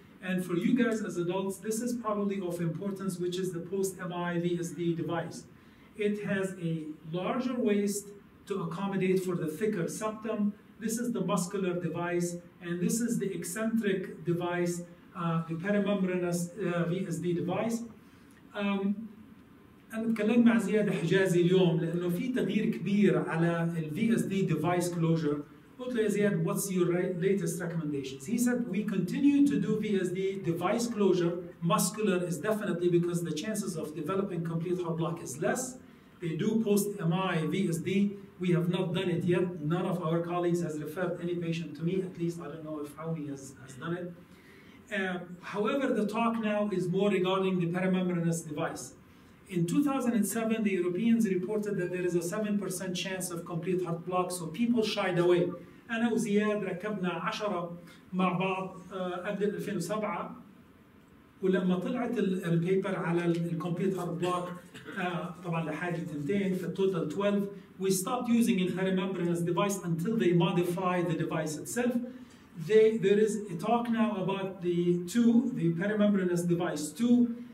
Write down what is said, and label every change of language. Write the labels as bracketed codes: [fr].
[en] And for you guys as adults, this is probably of importance, which is the post-MI VSD device. It has a larger waist to accommodate for the thicker septum. This is the muscular device, and this is the eccentric device, the perimembranous VSD device. [ar] أنا أتكلم مع زيادة حجازي اليوم لأنه في تغيير كبير على ال VSD device closure. قلت له يا زياد, [en] what's your latest recommendations? He said, we continue to do VSD device closure. Muscular is definitely because the chances of developing complete heart block is less. They do post-MI VSD. We have not done it yet. None of our colleagues has referred any patient to me. At least I don't know if Howie has done it. However, the talk now is more regarding the perimembranous device. In 2007, the Europeans reported that there is a 7% chance of complete heart block, so people shied away. [ar] أنا وزياد ركبنا 10 مع بعض قبل 2007. ولما طلعت البيبر على الكمبيوت هارت بلوك طبعا لحاجه تنتين في التوتال 12 [en] we stopped using the perimembranous device until they modify the device itself. There is a talk now about the perimembranous device 2.